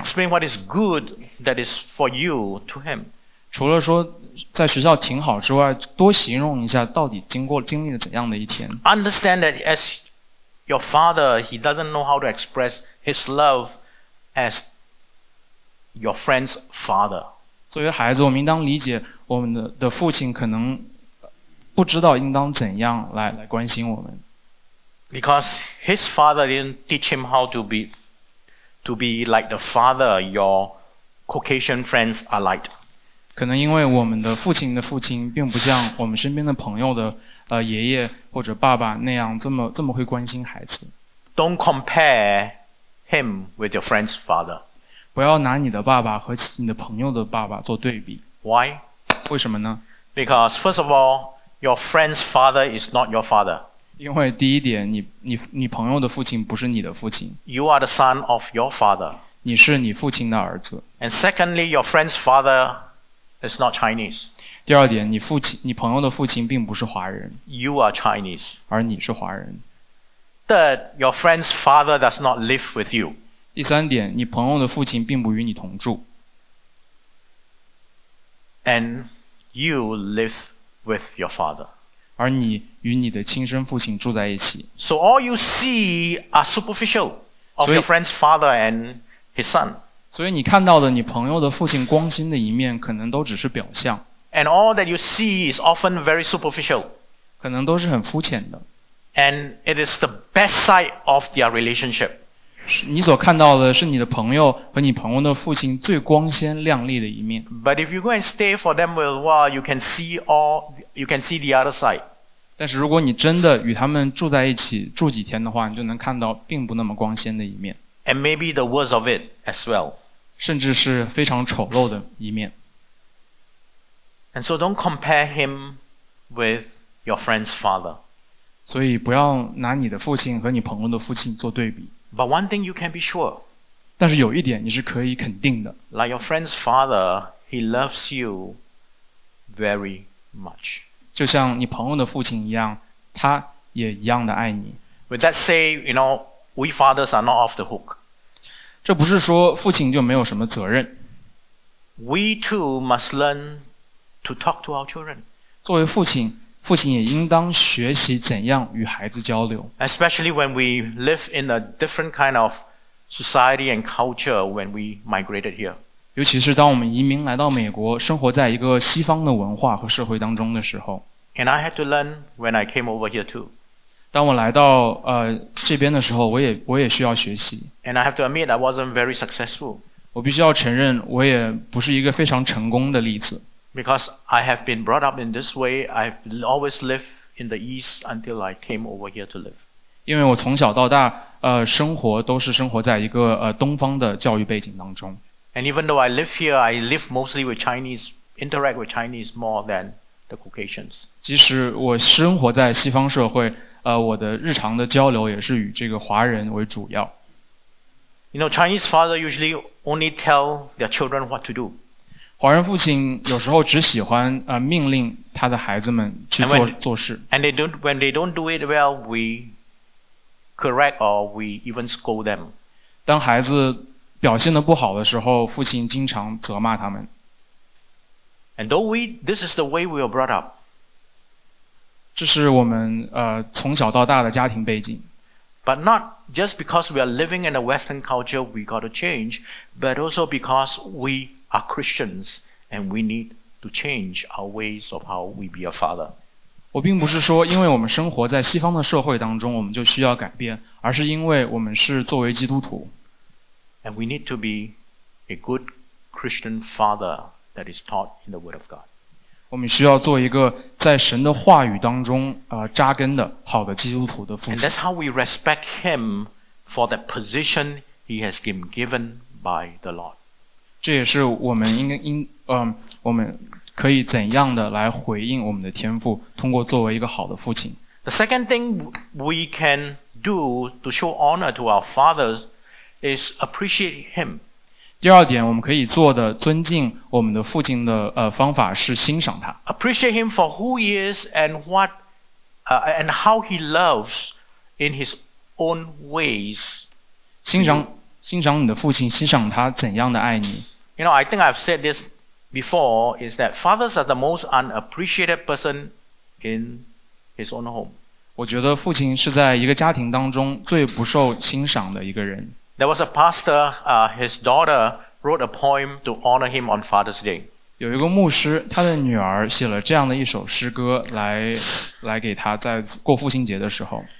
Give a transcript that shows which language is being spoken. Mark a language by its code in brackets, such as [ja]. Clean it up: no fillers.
[en] Explain what is good that is for you to him. [zh] 除了说在学校挺好之外多形容一下到底经历了怎样的一天。 [en] Understand that as your father, he doesn't know how to express his love as your friend's father. [zh] 作为孩子，我们应当理解我们的父亲可能不知道应当怎样来关心我们。 [en] Because his father didn't teach him how to be like the father your Caucasian friends are like. [zh] 可能因为我们的父亲并不像我们身边的朋友的爷爷或者爸爸那样这么会关心孩子。 [en] Don't compare him with your friend's father. [zh] 不要拿你的爸爸和你的朋友的爸爸做对比。 [en] Why? [zh] 为什么呢？ [en] Because first of all, your friend's father is not your father. [zh] 因为第一点 你朋友的父亲不是你的父亲。 [en] You are the son of your father. [zh] 你是你父亲的儿子。 [en] And secondly, your friend's father is not Chinese. [zh] 第二点 你朋友的父亲并不是华人。 [en] You are Chinese. [zh] 而你是华人。 [en] Third, your friend's father does not live with you. [zh] 第三点你朋友的父亲并不与你同住。 [en] And you live with your father. [zh] 而你与你的亲生父亲住在一起。 [en] So all you see are superficial of your friend's father and his son. [zh] 所以你看到的你朋友的父亲光鲜的一面可能都只是表象。 [en] And all that you see is often very superficial. [zh] 可能都是很肤浅的。 [en] And it is the best side of their relationship. [zh] 你所看到的是你的朋友和你朋友的父亲最光鲜亮丽的一面。 [en] But if you go and stay for them for a while, you can see the other side. [zh] 但是如果你真的与他们住在一起住几天的话，你就能看到并不那么光鲜的一面。 [en] And maybe the worst of it as well. [zh] 甚至是非常丑陋的一面。 [en] And so don't compare him with your friend's father. [zh] 所以不要拿你的父亲和你朋友的父亲做对比。 [en] But one thing you can be sure. [zh] 但是有一点你是可以肯定的。 [en] Like your friend's father, he loves you very much. [zh] 就像你朋友的父亲一样，他也一样的爱你。 [en] With that say, you know, we fathers are not off the hook. [zh] 这不是说父亲就没有什么责任。 [en] We too must learn to talk to our children. [zh] 作为父亲父亲也应当学习怎样与孩子交流。 [en] Especially when we live in a different kind of society and culture when we migrated here. [zh] 尤其是当我们移民来到美国，生活在一个西方的文化和社会当中的时候。 [en] And I had to learn when I came over here too. [zh] 当我来到这边的时候，我也需要学习。 [en] And I have to admit I wasn't very successful. [zh] 我必须要承认，我也不是一个非常成功的例子。 [en] Because I have been brought up in this way, I've always lived in the East until I came over here to live. [zh] 因为我从小到大，生活都是生活在一个东方的教育背景当中。 [en] And even though I live here, I live mostly with Chinese, interact with Chinese more than the Caucasians. [zh] 即使我生活在西方社会，我的日常的交流也是与这个华人为主要。 [en] You know, Chinese fathers usually only tell their children what to do. [zh] 华人父亲有时候只喜欢命令他的孩子们去做事。 [en] And when they don't do it well, we correct or we even scold them. [zh] 当孩子表现得不好的时候，父亲经常责骂他们。 [en] And though this is the way we were brought up. [zh] 这是我们从小到大的家庭背景。 [en] But not just because we are living in a Western culture, we got to change, but also because we are Christians and we need to change our ways of how we be a father. [zh] 我并不是说因为我们生活在西方的社会当中我们就需要改变，而是因为我们是作为基督徒。 [en] And we need to be a good Christian father that is taught in the Word of God. [zh] 我们需要做一个在神的话语当中扎根的好的基督徒的父亲。 [en] And that's how we respect him for the position he has been given by the Lord. [zh] 这也是我们我们可以怎样的来回应我们的天父，通过作为一个好的父亲。 [en] The second thing we can do to show honor to our fathers is appreciate him. [zh] 第二点我们可以做的尊敬我们的父亲的方法是欣赏他。 [en] Appreciate him for who he is and what, and how he loves in his own ways. [zh] 欣赏你的父亲，欣赏他怎样的爱你。 [en] You know, I think I've said this before, is that fathers are the most unappreciated person in his own home. [zh] 我觉得父亲是在一个家庭当中最不受欣赏的一个人。 [en] There was a pastor, his daughter wrote a poem to honor him on Father's Day. [zh] 有一个牧师，他的女儿写了这样的一首诗歌来给他在过父亲节的时候。